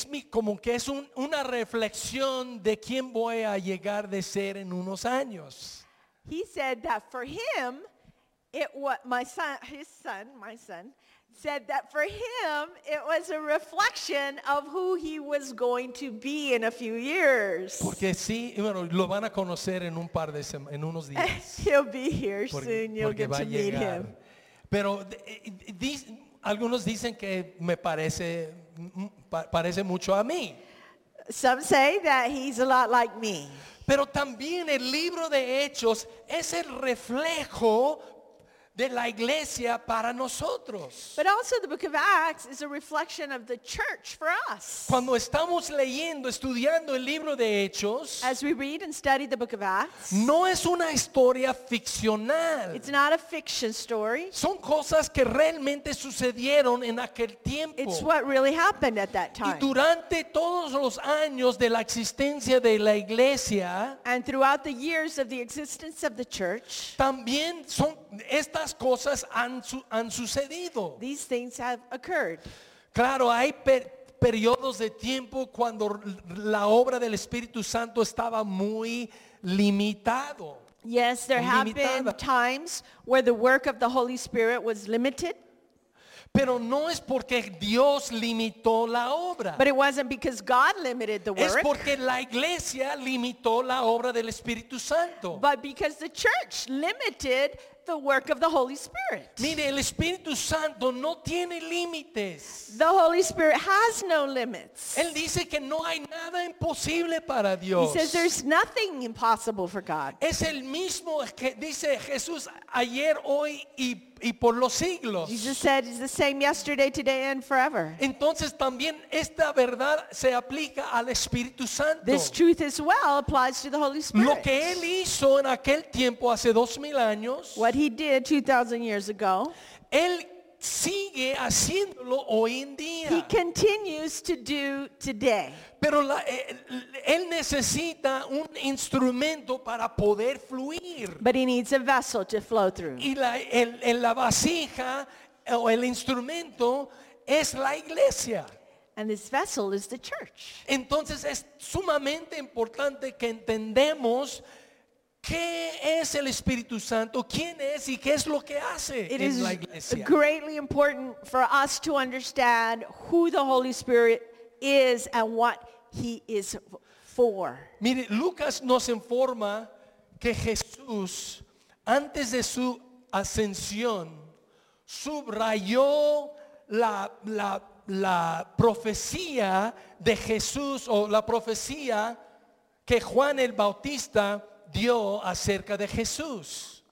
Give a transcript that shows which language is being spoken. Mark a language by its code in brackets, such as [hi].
[es] Como que es una reflexión de quién voy a llegar de ser en unos años. [en] He said that for him, it was a reflection of who he was going to be in a few years. [es] Porque sí, bueno, lo van a conocer en un par de en unos días. [en] He'll be here soon. You'll get to meet him. [es] Pero algunos dicen que me parece. Parece mucho a mí. [en] Some say that he's a lot like me. [es] Pero también el libro de Hechos es el reflejo de la iglesia para nosotros. [en] But also the book of Acts is a reflection of the church for us. [es] Cuando estamos leyendo, estudiando el libro de Hechos, [en] as we read and study the book of Acts, [es] no es una historia ficcional. [en] It's not a fiction story. [es] Son cosas que realmente sucedieron en aquel tiempo. [en] It's what really happened at that time. [es] Y durante todos los años de la existencia de la iglesia, [en] and throughout the years of the existence of the church, [es] también son estas cosas han sucedido. [en] These things have occurred. [es] Claro, hay periodos de tiempo cuando la obra del Espíritu Santo estaba muy limitado. [en] Yes, there have been times where the work of the Holy Spirit was limited. [es] Pero no es porque Dios limitó la obra. [en] But it wasn't because God limited the work. [es] Es porque la iglesia limitó la obra del Espíritu Santo. [en] But because the church limited the work of the Holy Spirit. [es] Mire, el Espíritu Santo no tiene límites. [en] The Holy Spirit has no limits. [es] Él dice que no hay nada imposible para Dios. [en] He says there's nothing impossible for God. [es] Es el mismo que dice Jesús ayer, hoy y por los siglos. [en] Jesus said it's the same yesterday, today, and forever. [es] Entonces también esta verdad se aplica al Espíritu Santo. [en] This truth as well applies to the Holy Spirit. [es] Lo que él hizo en aquel tiempo hace 2,000 años, [en] what he did 2,000 years ago, [es] él sigue haciéndolo hoy en día. [en] He continues to do today. [es] Pero él necesita un instrumento para poder fluir. [en] But he needs a vessel to flow through. [es] Y la vasija o el instrumento es la iglesia. [en] And this vessel is the church. [es] Entonces es sumamente importante que entendemos qué es el Espíritu Santo, quién es y qué es lo que hace en la iglesia. [en] It is greatly important for us to understand who the Holy Spirit is and what he is for. [es] Mire, Lucas nos informa que Jesús, antes de su ascensión, subrayó la profecía de Jesús o la profecía que Juan el Bautista dio acerca de Jesús.